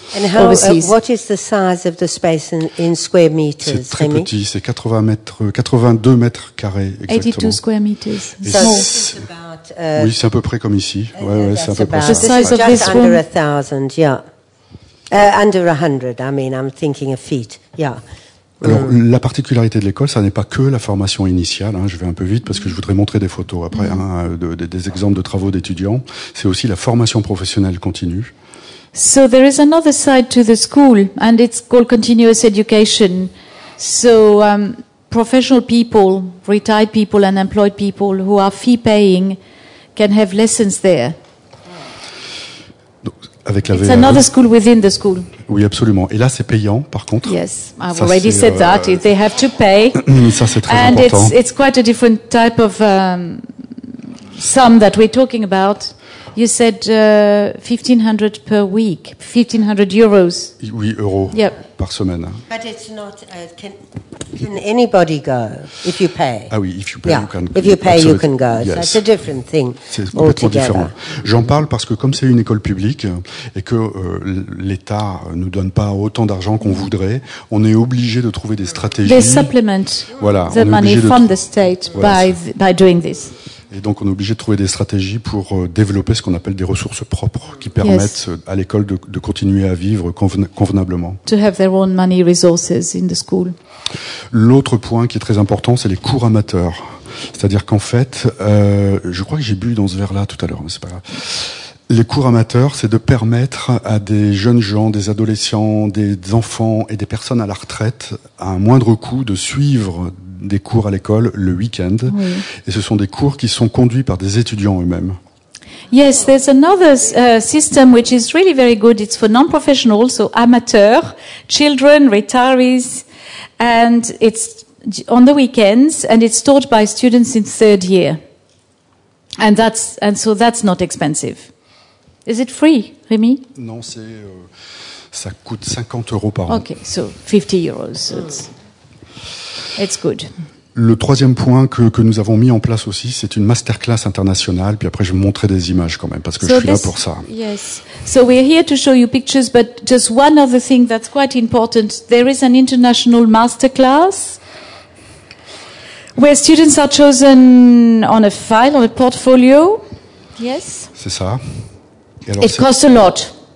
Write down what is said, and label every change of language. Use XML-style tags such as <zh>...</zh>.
<en>And how, what is the size of the space in square meters?</en> <fr>C'est très petit, c'est 82 mètres carrés exactement.</fr> <en>82 square meters.</en> <fr>Oui, c'est à peu près comme ici. Ouais, c'est à peu près.</fr> <en>The size of this room. Just under 1,000, yeah. Under 100, I mean, I'm thinking of feet, yeah.</en> <fr>Alors, la particularité de l'école, ça n'est pas que la formation initiale. Hein, je vais un peu vite parce que je voudrais montrer des photos après, hein, des exemples de travaux d'étudiants. C'est aussi la formation professionnelle continue.</fr> <en>So there is another side to the school, and it's called continuous education. So professional people, retired people, and unemployed people who are fee-paying can have lessons there.</en> <fr>Donc, avec la</fr> <en>it's another school within the school.</en> <fr>Oui, absolument. Et là, c'est payant, par contre.</fr> <en>Yes, I've already said that. They have to pay.</en> <fr>Ça, c'est très</fr> <en>and</en> <fr>important.</fr> <en>And it's quite a different type of sum that we're talking about. You said 1,500 per week, 1,500 euros.</en> <fr>Oui, euros</fr> <en>yep.</en> <fr>par semaine.</fr> <en>But it's not, can anybody go if you pay?</en> <fr>Ah oui,</fr> <en>if you pay, yeah. you can. If you pay, you can go. Yes. So it's a different thing</en> <fr>c'est</fr> <en>altogether.</en> <fr>Complètement différent. J'en parle parce que comme c'est une école publique et que l'État ne nous donne pas autant d'argent qu'on voudrait, on est obligé de trouver des stratégies.</fr> <en>They supplement</en> <fr>voilà,</fr> <en>the money from the state by doing this.</en> <fr>Et donc, on est obligé de trouver des stratégies pour développer ce qu'on appelle des ressources propres qui permettent</fr> <en>yes.</en> <fr>à l'école de continuer à vivre convenablement.</fr> <en>To have their own money resources in the school.</en> <fr>L'autre point qui est très important, c'est les cours amateurs. C'est-à-dire qu'en fait, je crois que j'ai bu dans ce verre-là tout à l'heure, mais c'est pas grave. Les cours amateurs, c'est de permettre à des jeunes gens, des adolescents, des enfants et des personnes à la retraite, à un moindre coût, de suivre des cours à l'école le week-end. Oui. Et ce sont des cours qui sont conduits par des étudiants eux-mêmes.</fr> <en>Yes, there's another system which is really very good. It's for non-professionals, so amateurs, children, retirees, and it's on the weekends, and it's taught by students in third year. And so that's not expensive. Is it free, Rémi?</en> <fr>Non, ça coûte 50 euros par an.</fr> <en>Okay, so 50 euros. So it's good.</en> <fr>Le troisième point que nous avons mis en place aussi, c'est une masterclass internationale. Puis après, je vais montrer des images quand même, parce que je suis là pour ça.</fr> <en>Yes. So we're here to show you pictures, but just one other thing that's quite important. There is an international masterclass where students are chosen on a file, on a portfolio. Yes.</en> <fr>C'est ça. Et alors,</fr> <en>it costs a lot.</en>